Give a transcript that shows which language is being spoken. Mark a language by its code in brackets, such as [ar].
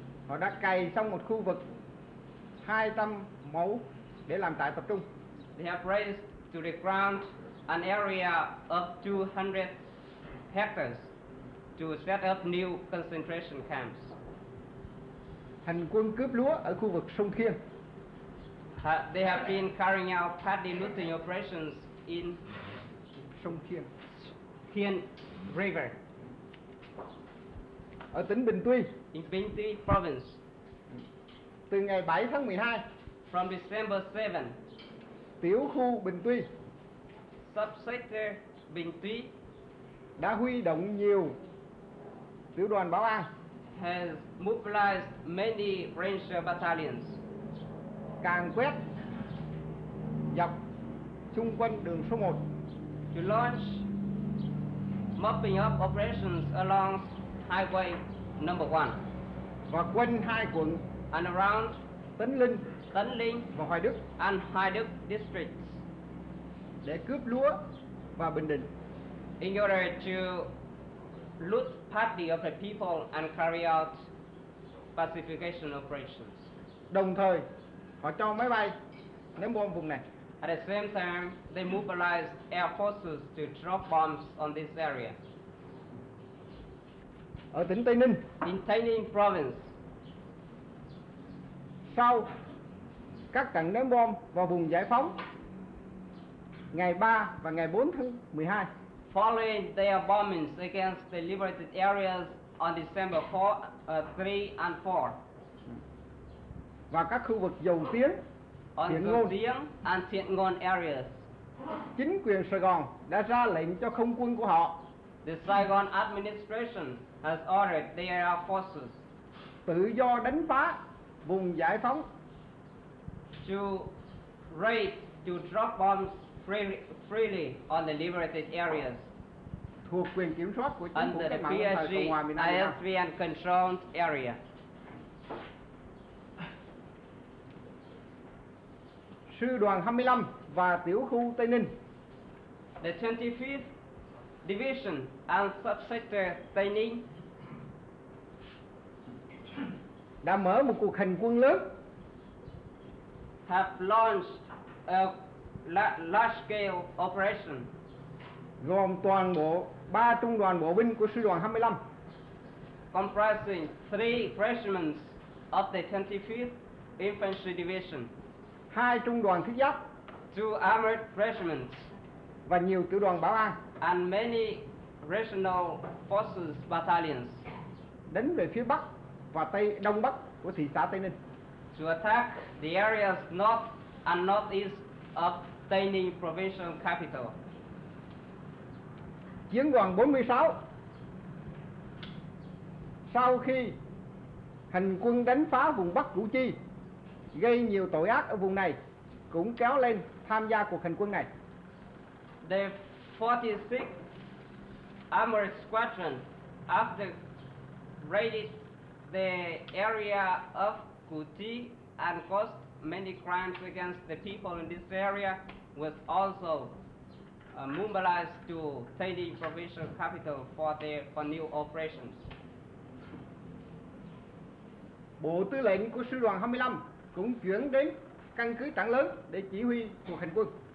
[vi] họ đã cày xong một khu vực 200 mẫu để làm trại tập trung. [en] They have raised to the ground an area of 200 hectares to set up new concentration camps. [vi] Hành quân cướp lúa ở khu vực sông Khiên. [en] They have been carrying out paddy looting operations in [vi] sông Khiên. [en] Khiên River. [vi] Ở tỉnh Bình Tuy, [en] in Bình Tuy province, [vi] từ ngày 7 tháng 12, [en] from December 7, [vi] tiểu khu Bình Tuy, [en] subsector Bình Tuy, [vi] đã huy động nhiều tiểu đoàn báo an, [en] has mobilized many ranger battalions, [vi] càn quét dọc xung quanh đường số 1, [en] to launch mopping up operations along highway number 1, [vi] và quanh hai quận [en] and around [vi] Tấn Linh và Hoài Đức [en] and Hoài Đức districts, [vi] để cướp lúa và Bình Định, [en] in order to loot paddy of the people and carry out pacification operations. [vi] Đồng thời họ cho máy bay ném bom vùng này. [en] At the same time, they mobilized air forces to drop bombs on this area. [vi] Ở tỉnh Tây Ninh, [en] in Tây Ninh province, [vi] sau các trận ném bom vào vùng giải phóng ngày 3 và ngày 4 tháng 12, [en] following their bombings against the liberated areas on December 3 and 4, [vi] và các khu vực Dầu Tiếng, Thiện Ngôn, [en] Dương and Thiện Ngôn areas, [vi] chính quyền Sài Gòn đã ra lệnh cho không quân của họ, [en] the Saigon administration has ordered their forces, [vi] tự do đánh phá vùng giải phóng, [en] to raid, to drop bombs freely on the liberated areas [vi] thuộc quyền kiểm soát của chính phủ cách mạng lâm thời Cộng hòa miền Nam Việt Nam, [en] ISVN controlled area. [vi] Sư đoàn 25 và tiểu khu Tây Ninh, [en] the 25th Division and Subsector Tây Ninh [vi] đã mở một cuộc hành quân lớn. [en] Have launched a large-scale operation. [vi] Gồm toàn bộ 3 trung đoàn bộ binh của sư đoàn 25. [en] Comprising 3 regiments of the 25th Infantry Division. [vi] 2 trung đoàn thiết giáp. [en] 2 armored regiments. [vi] Và nhiều tiểu đoàn báo an. [en] And many regional forces battalions. [vi] Đánh về phía bắc và tây đông bắc của thị xã Tây Ninh. [en] To attack the areas north and northeast of Tây Ninh provincial capital. [vi] Chiến đoàn 46 sau khi hành quân đánh phá vùng bắc Củ Chi gây nhiều tội ác ở vùng này cũng kéo lên tham gia cuộc hành quân này. [en] The 46th Armored Squadron after raided the area of Củ Chi and caused many crimes against the people in this area was also mobilized to Tây Ninh provincial capital for new operations. [vi] Bộ tư lệnh của sư đoàn 25 cũng chuyển đến căn cứ Trảng Lớn để chỉ huy cuộc hành quân.